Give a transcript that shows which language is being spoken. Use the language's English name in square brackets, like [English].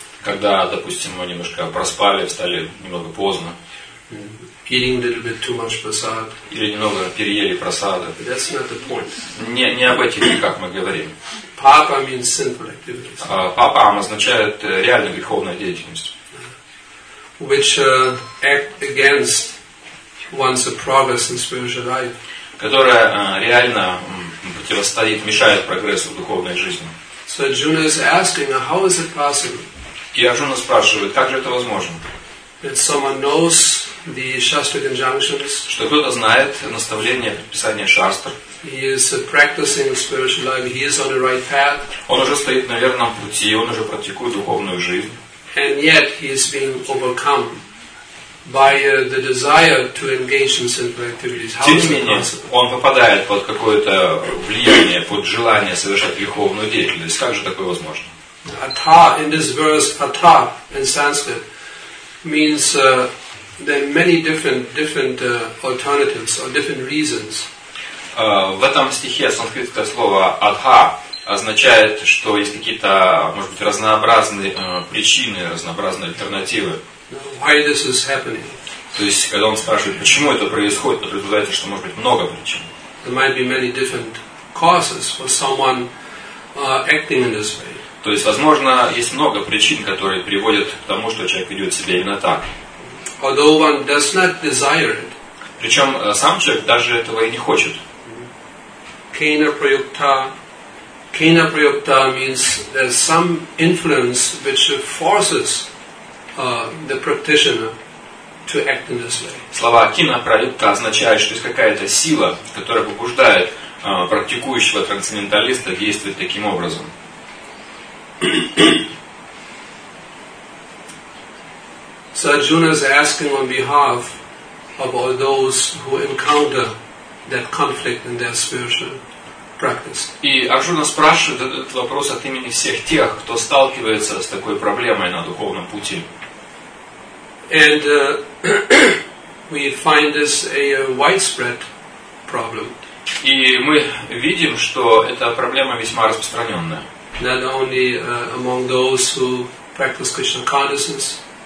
[Russian] Когда, допустим, мы немножко проспали, встали немного поздно. [English] Eating a little bit too much prasad. [Russian] Или немного переели прасада. [English] That's not the point. [Russian] Не об этих, как мы говорим. [English] Papa means sinful activities. [Russian] Папа означает реальную греховную деятельность. [English] Which act against one's progress in spiritual life. [Russian] Которая реально противостоит, мешает прогрессу в духовной жизни. [English] So Arjuna is asking, how is it possible? [Russian] И Арджуна спрашивает, как же это возможно? [English] That someone knows the shastric injunctions. [Russian] Что кто-то знает наставления, предписания шастр. [English] He is practicing spiritual life. He is on the right path. [Russian] Он уже стоит на верном пути, он уже практикует духовную жизнь. [English] And yet he is being overcome by the desire to engage in sinful activities. [Russian] Тем не менее, он попадает под какое-то влияние, под желание совершать греховную деятельность. Как же такое возможно? [English] Ata in this verse, ata in Sanskrit means there are many different alternatives or different reasons. [Russian] В этом стихе санскритское слово ата означает, что есть какие-то, может быть, разнообразные причины, разнообразные альтернативы. [English] Why this is happening? [Russian] То есть, когда он спрашивает, почему это происходит, то предполагается, что может быть много причин. [English] There might be many different causes for someone acting in this way. [Russian] То есть, возможно, есть много причин, которые приводят к тому, что человек ведет себя именно так. [English] Although one does not desire it. [Russian] Причем сам человек даже этого и не хочет. [English] Kena prayukta means there's some influence which forces the practitioner to act in this way. [Russian] Слова кина пралюпта означает, что есть какая-то сила, которая побуждает практикующего трансценденталиста действовать таким образом. [English] So Arjuna is asking on behalf of all those who encounter that conflict in their spiritual practice. [Russian] И Арджуна спрашивает этот вопрос от имени всех тех, кто сталкивается с такой проблемой на духовном пути. [English] And we find this a widespread problem. [Russian] И мы видим, что эта проблема весьма распространенная. [English] Not only among those who practice Krishna consciousness.